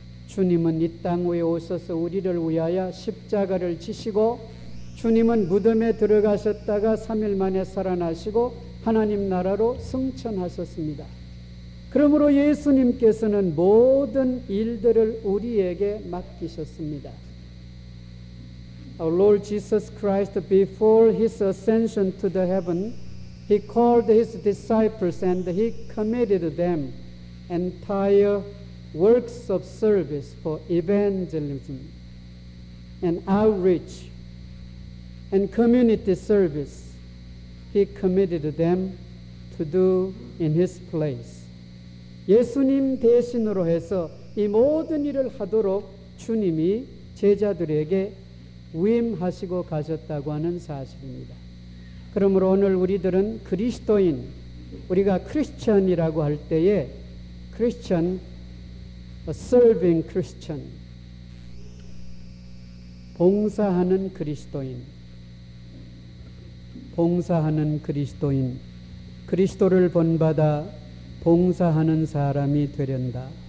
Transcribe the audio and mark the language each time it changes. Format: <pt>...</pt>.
<ko>주님은 이 땅 위에 오셔서 우리를 위하여 십자가를 지시고 주님은 무덤에 들어가셨다가 3일 만에 살아나시고 하나님 나라로 승천하셨습니다. 그러므로 예수님께서는 모든 일들을 우리에게 맡기셨습니다.</ko> <en>Our Lord Jesus Christ, before his ascension to the heaven, he called his disciples and he committed them entire works of service for evangelism and outreach and community service. He committed them to do in his place.</en> <ko>예수님 대신으로 해서 이 모든 일을 하도록 주님이 제자들에게 위임하시고 가셨다고 하는 사실입니다. 그러므로 오늘 우리들은 그리스도인, 우리가 크리스천이라고 할 때에 크리스천,</ko> <en>a serving Christian,</en> <ko>봉사하는 그리스도인, 봉사하는 그리스도인, 그리스도를 본받아 봉사하는 사람이 되련다.</ko>